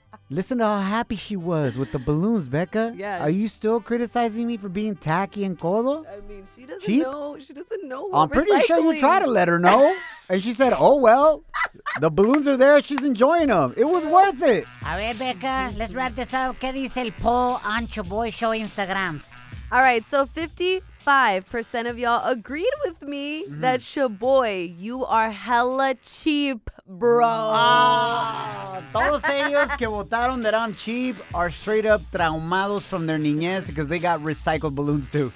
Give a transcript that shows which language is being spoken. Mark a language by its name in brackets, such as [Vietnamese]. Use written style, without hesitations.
[English] Listen to how happy she was with the balloons, Becca. Yes. Are you still criticizing me for being tacky and [Spanish] codo? [English] I mean, she doesn't know. I'm pretty sure you tried to let her know. And she said, oh, well, the balloons are there. She's enjoying them. It was worth it. All right, Becca, let's wrap this up. [Spanish] ¿Qué dice el poll on Chavoy Show Instagrams? [English] All right, so 55% of y'all agreed with me that Chavoy, you are hella cheap, bro. [Spanish] Ah, todos ellos que votaron [English] that I'm cheap are straight up [Spanish] traumados [English] from their [Spanish] niñez [English] because they got recycled balloons too.